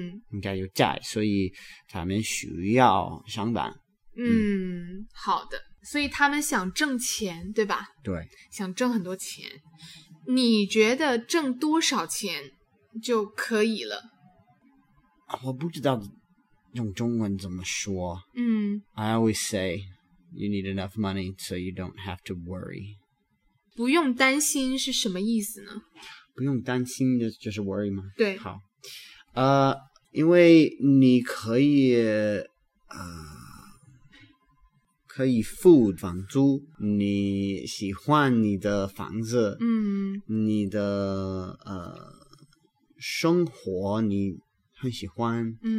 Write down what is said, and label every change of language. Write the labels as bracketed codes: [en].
[zh] 应该有债所以他们需要上班好的所以他们想挣钱对吧对想挣很多钱你觉得挣多少钱就可以了我不知道用中文怎么说 [en] I always sayYou need enough money so you don't have to worry. [zh] 不用担心是什么意思呢不用担心就是 worry 吗对。好。因为你可以可以付房租你喜欢你的房子你的生活你很喜欢